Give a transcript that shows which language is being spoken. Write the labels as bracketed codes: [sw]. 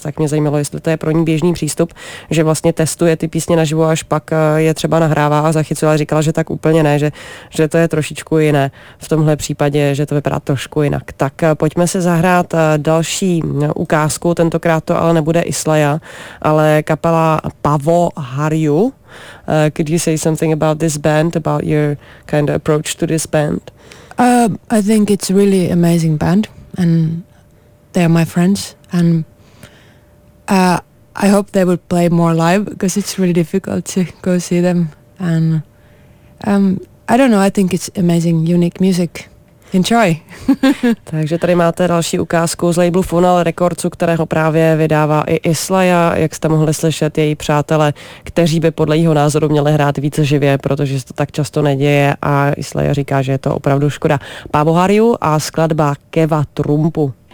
[cs] Tak mě zajímalo, jestli to je pro ní běžný přístup, že vlastně testuje ty písně na život, až pak je třeba nahrává a zachycuje, a říkala, že tak úplně ne, že to je trošičku jiné v tomhle případě, že to vypadá trošku jinak. Tak pojďme se zahrát další ukázku, tentokrát to ale nebude Islaya, ale kapela Pavo Harju. [en] Could you say something about this band, about your kind of approach to this band? I think it's a really amazing band, and they are my friends, and I hope they would play more live, because it's really difficult to go see them. And I don't know, I think it's amazing, unique music. Enjoy. [cs] Takže tady máte další ukázku z labelu Funnel Records, kterého právě vydává i Islaya, jak jste mohli slyšet, její přátelé, kteří by podle jeho názoru měli hrát více živě, protože se to tak často neděje, a Islaya říká, že je to opravdu škoda. Paavo Harju a skladba Keva Trumpu.